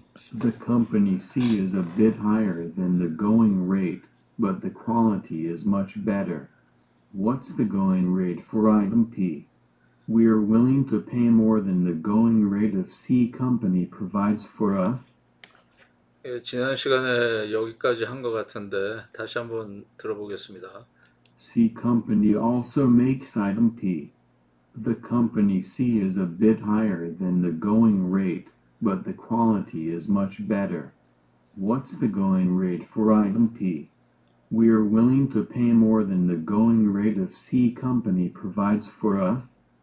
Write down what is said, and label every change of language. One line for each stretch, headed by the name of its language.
English: The company fee is a bit higher than the going rate, but the quality is much better. What's the going rate for item P? We are willing to pay more than the going rate of C company provides for us.
Korean: 예, 지난 시간에 여기까지 한것 같은데 다시 한번 들어보겠습니다.
English: C company also makes item P. The company C is a bit higher than the going rate, but the quality is much better. What's the going rate for item P? We are willing to pay more than the going rate of C company provides for us.